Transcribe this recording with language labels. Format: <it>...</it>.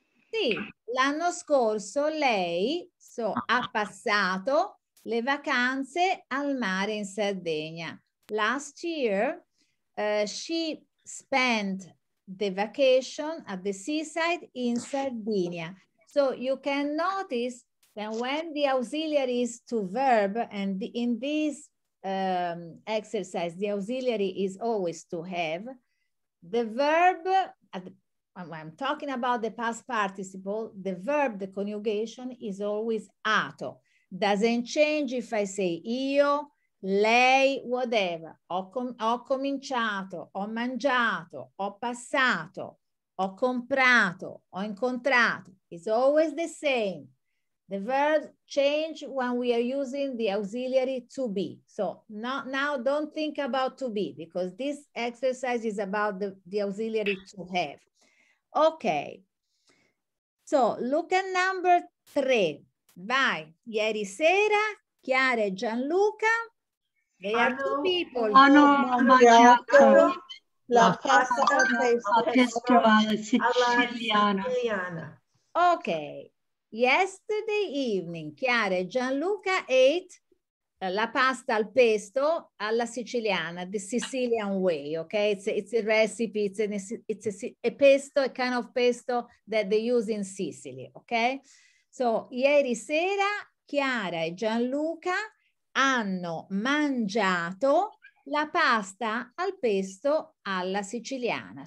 <it>sì, l'anno scorso, lei, so, ha passato le vacanze al mare in Sardegna.</it> <en>Last year, she spent the vacation at the seaside in Sardinia. So you can notice that when the auxiliary is to verb, and in this exercise, the auxiliary is always to have, the verb, I'm talking about the past participle, the verb, the conjugation is always ato. Doesn't change if I say io, lei, whatever.</en> <it>Ho cominciato, ho mangiato, ho passato, ho comprato, ho incontrato.</it> <en>It's always the same. The verb change when we are using the auxiliary to be. So not now, don't think about to be, because this exercise is about the auxiliary to have. Okay. So look at number three.</en> <it>Vai, ieri sera, Chiara e Gianluca, e altri people. Hanno mangiato la pasta festivale siciliana.</it> <en>Ok, yesterday evening, Chiara e Gianluca ate</en> <it>la pasta al pesto alla siciliana,</it> <en>the Sicilian way, okay? It's a recipe, it's a pesto, a kind of pesto that they use in Sicily, okay?</en> <it>So, ieri sera Chiara e Gianluca hanno mangiato la pasta al pesto alla siciliana.</it>